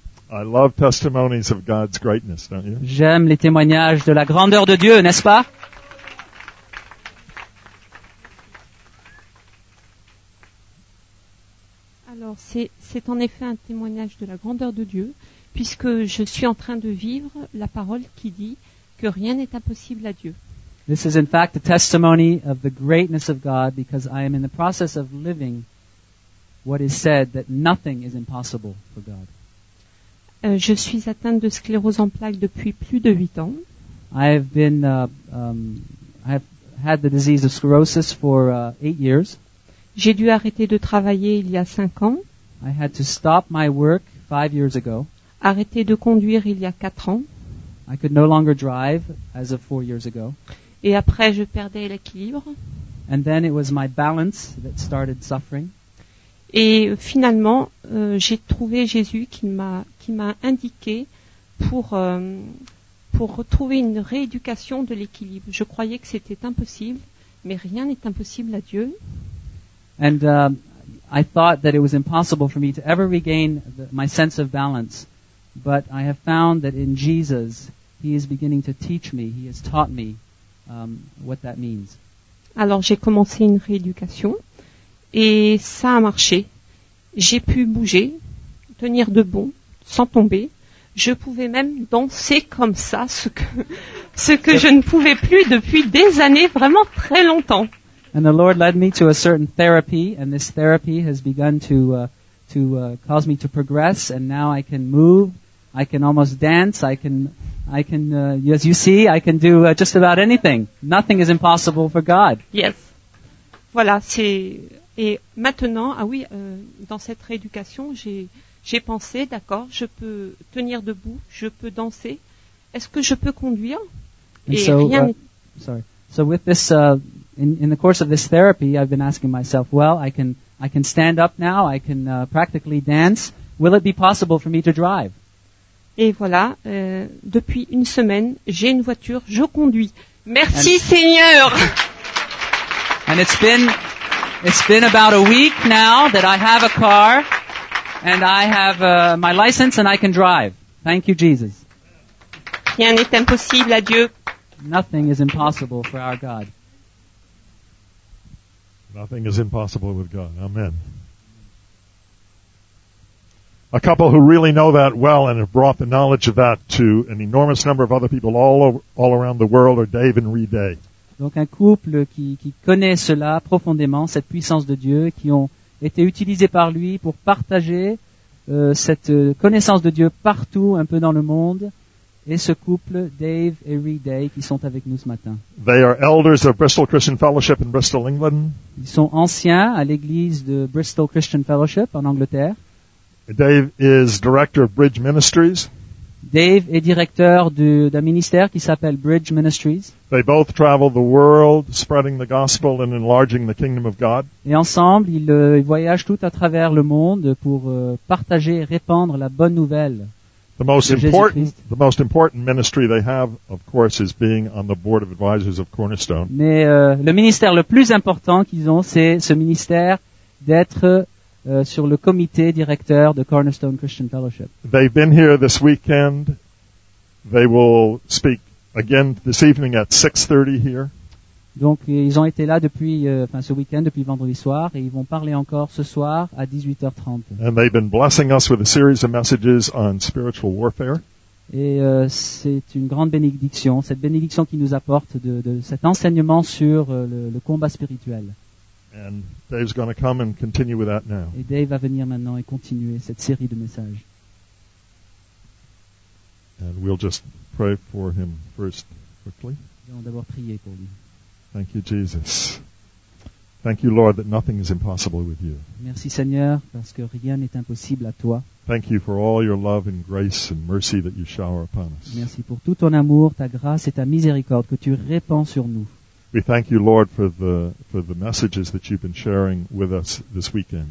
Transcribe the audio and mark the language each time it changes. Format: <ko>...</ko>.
<en>I love testimonies of God's greatness, don't you?</en> <fr>J'aime les témoignages de la grandeur de Dieu, n'est-ce pas? Alors, c'est en effet un témoignage de la grandeur de Dieu, puisque je suis en train de vivre la parole qui dit que rien n'est impossible à Dieu.</fr> <en>This is in fact a testimony of the greatness of God, because I am in the process of living what is said that nothing is impossible for God.</en> <fr>Je suis atteinte de sclérose en plaques depuis plus de 8 ans.</fr> <en>I have had the disease of sclerosis for 8 years.</en> <fr>J'ai dû arrêter de travailler il y a 5 ans.</fr> <en>I had to stop my work 5 years ago.</en> <fr>Arrêter de conduire il y a 4 ans.</fr> <en>I could no longer drive as of 4 years ago.</en> <fr>Et après je perdais l'équilibre.</fr> <en>And then it was my balance that started suffering.</en> <fr>Et finalement, j'ai trouvé Jésus qui m'a indiqué pour retrouver une rééducation de l'équilibre. Je croyais que c'était impossible, mais rien n'est impossible à Dieu.</fr> <en>And I thought that it was impossible for me to ever regain my sense of balance, but I have found that in Jesus, He is beginning to teach me. He has taught me what that means.</en> <fr>Alors j'ai commencé une rééducation. Et ça a marché. J'ai pu bouger, tenir debout, sans tomber. Je pouvais même danser comme ça, ce que je ne pouvais plus depuis des années, vraiment très longtemps.</fr> <en>And the Lord led me to a certain therapy, and this therapy has begun to cause me to progress, and now I can move, I can almost dance, I can as you see, I can do just about anything. Nothing is impossible for God.</en> <fr>Yes. Voilà, c'est... Et maintenant, dans cette rééducation, j'ai pensé, d'accord, je peux tenir debout, je peux danser. Est-ce que je peux conduire?</fr> <en>So with this, in the course of this therapy, I've been asking myself, well, I can stand up now, I can practically dance. Will it be possible for me to drive?</en> <fr>Et voilà, depuis une semaine, j'ai une voiture, je conduis. Merci, Seigneur.</fr> <en>And it's been about a week now that I have a car and I have my license and I can drive. Thank you, Jesus.</en> <fr>Rien n'est impossible à Dieu.</fr> <en>Nothing is impossible for our God. Nothing is impossible with God. Amen. A couple who really know that well and have brought the knowledge of that to an enormous number of other people all around the world are Dave and Reed Day.</en> <fr>Donc un couple qui connaît cela profondément, cette puissance de Dieu, qui ont été utilisés par lui pour partager cette connaissance de Dieu partout un peu dans le monde. Et ce couple, Dave et Reed Day, qui sont avec nous ce matin.</fr> <en>They are elders of Bristol Christian Fellowship in Bristol, England.</en> <fr>Ils sont anciens à l'église de Bristol Christian Fellowship en Angleterre.</fr> <en>Dave is director of Bridge Ministries.</en> <fr>Dave est directeur d'un ministère qui s'appelle Bridge Ministries.</fr> <en>They both travel the world, spreading the gospel and enlarging the kingdom of God.</en> <fr>Et ensemble, ils voyagent tout à travers le monde pour partager et répandre la bonne nouvelle.</fr> <en>The most important ministry they have, of course, is being on the board of advisors of Cornerstone.</en> <fr>Mais le ministère le plus important qu'ils ont, c'est ce ministère d'être sur le comité directeur de Cornerstone Christian Fellowship.</fr> <en>They've been here this weekend. They will speak again this evening at 6:30 here.</en> <fr>Donc ils ont été là depuis ce week-end, depuis vendredi soir, et ils vont parler encore ce soir à 18h30.</fr> <en>And they've been blessing us with a series of messages on spiritual warfare.</en> <fr>Et c'est une grande bénédiction, cette bénédiction qu'ils nous apportent de cet enseignement sur le combat spirituel.</fr> <en>And Dave's going to come and continue with that now.</en> <fr>Et Dave va venir maintenant et continuer cette série de messages.</fr> <en>And we'll just pray for him first, quickly.</en> <fr>Nous allons d'abord prier pour lui.</fr> <en>Thank you, Jesus. Thank you, Lord, that nothing is impossible with you.</en> <fr>Merci, Seigneur, parce que rien n'est impossible à toi.</fr> <en>Thank you for all your love and grace and mercy that you shower upon us.</en> <fr>Merci pour tout ton amour, ta grâce et ta miséricorde que tu répands sur nous.</fr> <en>We thank you, Lord, for the messages that you've been sharing with us this weekend.</en>